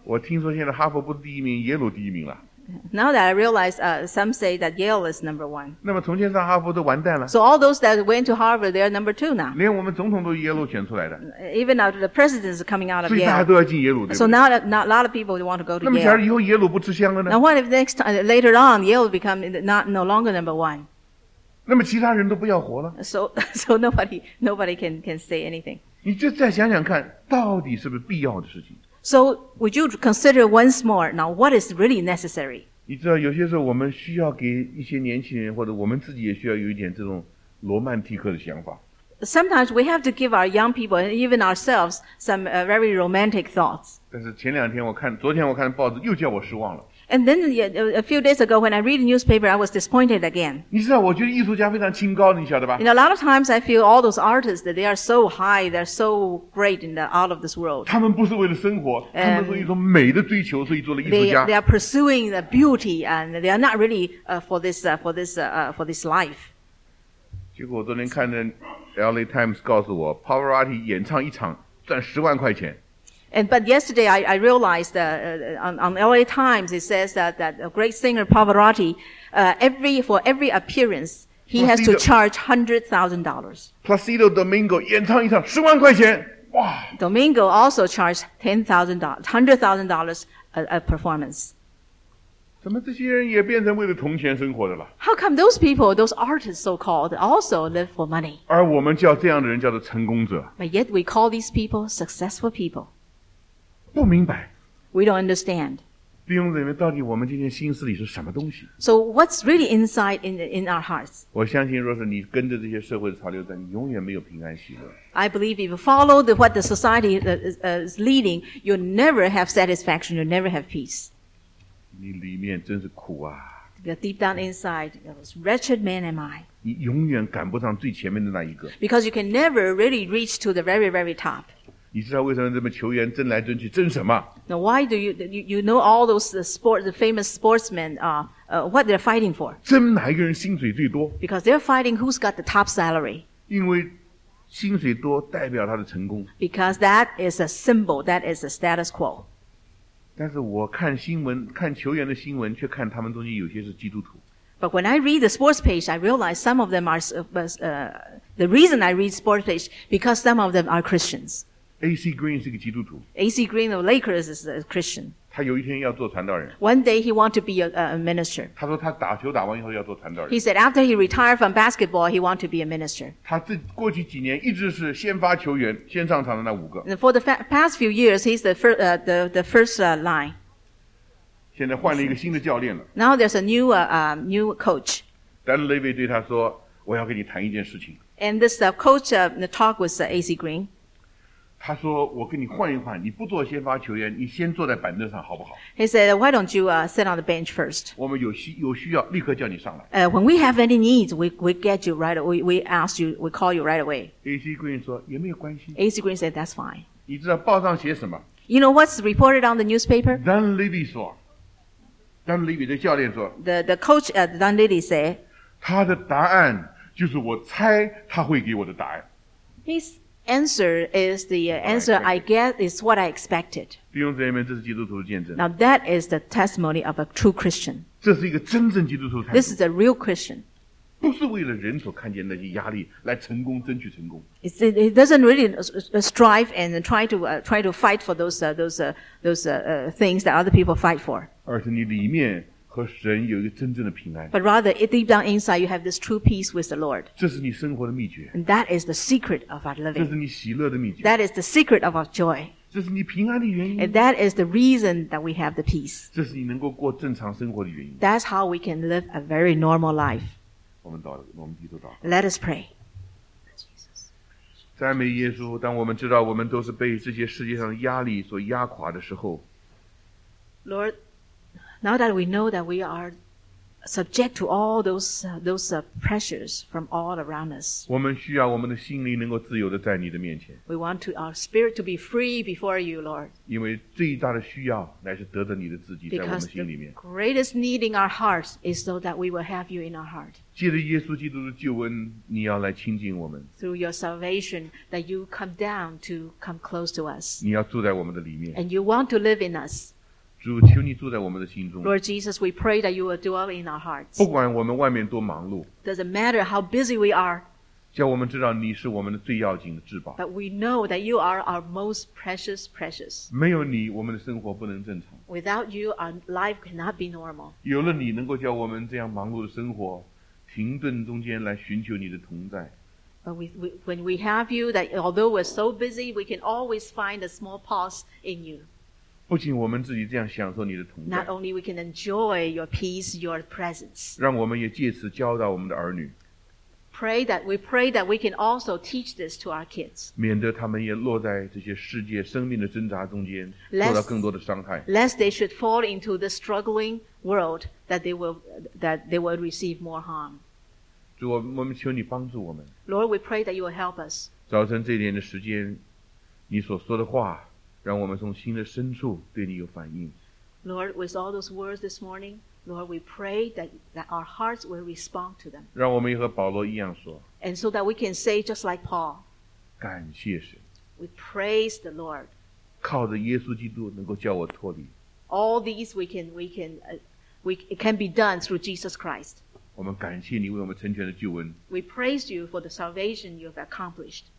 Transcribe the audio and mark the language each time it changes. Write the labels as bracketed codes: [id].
[zh] 我听说现在哈佛不是第一名，耶鲁第一名了。 [en] Now that I realize, some say that Yale is number one. [zh] 那么从前上哈佛都完蛋了。 [en] So all those that went to Harvard, they are number two now. [zh] 连我们总统都是耶鲁选出来的。 [en] Even now, the president is coming out of Yale. [zh] 所以大家都要进耶鲁，对不对？ [en] So now, not a lot of people want to go to Yale. [zh] 那么假如以后耶鲁不吃香了呢？ [en] Now what if next time, later on, Yale become no longer number one? [zh] 那么其他人都不要活了。 [en] So nobody can say anything. [zh] 你就再想想看，到底是不是必要的事情。 [en] So would you consider once more, now what is really necessary? [zh] 你知道有些时候我们需要给一些年轻人，或者我们自己也需要有一点这种罗曼蒂克的想法。 [en] Sometimes we have to give our young people and even ourselves some very romantic thoughts. [zh] 但是前两天昨天我看报纸又叫我失望了。 [en] And then a few days ago, when I read the newspaper, I was disappointed again. [zh] 你知道，我觉得艺术家非常清高，你晓得吧？ [en] And a lot of times, I feel all those artists that they are so high, they're so great in the out of this world. [zh] 他们不是为了生活，他们是一种美的追求，所以做了艺术家。 [en] They are pursuing the beauty, and they are not really for this life. [zh] 结果我昨天看着 LA Times 告诉我 Pavarotti 演唱一场赚十万块钱。 [en] And, but yesterday I realized that, on LA Times it says that a great singer Pavarotti, for every appearance, he has to charge $100,000. [zh] Placido Domingo 演唱一场十万块钱。哇。 [en] Domingo also charged $100,000 a performance. [zh] 怎么这些人也变成为了铜钱生活的了 [en] ？How come those people, those artists so called, also live for money? [zh] 而我们叫这样的人叫做成功者。 [en] But yet we call these people successful people. [zh] 不明白。 [en] We don't understand. [zh] 弟兄姊妹，到底我们今天心思里是什么东西 [en] ？So what's really inside in our hearts? [zh] 我相信，若是你跟着这些社会的潮流，但你永远没有平安喜乐。 [en] I believe if you follow what the society is leading, you'll never have satisfaction. You'll never have peace. [zh] 你里面真是苦啊 [en] Because deep down inside, those wretched man am I. [zh] 你永远赶不上最前面的那一个 [en] Because you can never really reach to the very, very top. [zh] 你知道为什么这么球员争来争去争什么 [en] Now why do you know all those the famous sportsmen, what they're fighting for? [zh] 争哪一个人薪水最多 [en] Because they're fighting who's got the top salary. [zh] 因为薪水多代表他的成功 [en] Because that is a symbol, that is a status quo. [zh] 但是我看新闻看球员的新闻却看他们中间有些是基督徒 [en] But when I read the sports page I realize some of them are the reason I read sports page because some of them are Christians [zh] AC Green 是个基督徒 [en] AC Green of Lakers is a Christian [zh] 他有一天要做传道人 [en] One day he want to be a minister [zh] 他说他打球打完以后要做传道人 [en] He said after he retired from basketball he want to be a minister [zh] 他这过去几年一直是先发球员先上场的那五个 [en] And for the past few years he's the first line [zh] 现在换了一个新的教练了 [en] Now there's a new coach [zh] Dan Levy 对他说我要跟你谈一件事情 [en] And this coach talk with AC Green [zh] 他说我跟你换一换你不做先发球员你先坐在板凳上好不好 [en] He said, why don't you sit on the bench first? [zh] 我们有需要立刻叫你上来。 [en] When we have any needs, we get you right away, we ask you, we call you right away. [zh] AC Green 说也没有关系。 [en] AC Green said, that's fine. [zh] 你知道报上写什么 [en] You know what's reported on the newspaper? [zh] Dan Levy 说 Dan Levy 的教练说 [en] The coach, Dan Levy said, [zh] 他的答案就是我猜他会给我的答案。 [en] He'sAnswer is the answer I get is what I expected. [zh] 弟兄姊妹们，这是基督徒的见证。 [en] Now that is the testimony of a true Christian. [zh] 这是一个真正基督徒的态度。 [en] This is a real Christian. [zh] 不是为了人所看见的那些压力来成功争取成功。 [en] It doesn't really strive and try to fight for things that other people fight for. [zh] 而是你里面和神有一个真正的平安。 [en] But rather, deep down inside, you have this true peace with the Lord. [zh] 这是你生活的秘诀。 [en] And that is the secret of our living. [zh] 这是你喜乐的秘诀。 [en] That is the secret of our joy. [zh] 这是你平安的原因。 [en] And that is the reason that we have the peace. [zh] 这是你能够过正常生活的原因。 [en] That's how we can live a very normal life. [zh] 我们低头祷告。 [en] Let us pray. [zh] 赞美耶稣，当我们知道我们都是被这些世界上压力所压垮的时候。 [en] Lord,Now that we know that we are subject to all those pressures from all around us, [zh] 我们需要我们的心灵能够自由地在你的面前。 [en] We want our spirit to be free before you, Lord. [zh] 因为最大的需要乃是得着你的自己在我们心里面。 [en] The greatest need in our hearts is so that we will have you in our heart. [zh] 借着耶稣基督的救恩，你要来亲近我们。 [en] Through your salvation, that you come down to come close to us. [zh] 你要住在我们的里面。 [en] And you want to live in us. [zh] 主求你住在我们的心中 [en] Lord Jesus, we pray that you will dwell in our hearts. [zh] 不管我们外面多忙碌 [en] Doesn't matter how busy we are. [zh] 叫我们知道你是我们的最要紧的至宝 [en] But we know that you are our most precious. [zh] 没有你我们的生活不能正常 [en] Without you, our life cannot be normal. [zh] 有了你能够叫我们这样忙碌的生活停顿中间来寻求你的同在 [en] But when we have you, that although we're so busy, we can always find a small pause in you. [zh] 不仅我们自己这样享受你的同在 [en] Not only we can enjoy your peace, your presence [zh] 让我们也借此教导我们的儿女 [en] We pray that we can also teach this to our kids [zh] 免得他们也落在这些世界生命的挣扎中间 受到更多的伤害 [en] Lest they should fall into the struggling world that they will receive more harm [zh] 主我们求你帮助我们 [en] Lord, we pray that you will help us [zh] 早晨这点的时间你所说的话让我们从心的深处对你有反应 [en] Lord, with all those words this morning Lord, we pray that our hearts will respond to them. [zh] 让我们和保罗一样说。 [en] And so that we can say just like Paul. [zh] 感谢神。 [en] We praise the Lord. [zh] 靠着耶稣基督能够叫我脱离。 [en] All these it can be done through Jesus Christ. [zh] 我们感谢你为我们成全的救恩。 [en] We praise you for the salvation you have accomplished.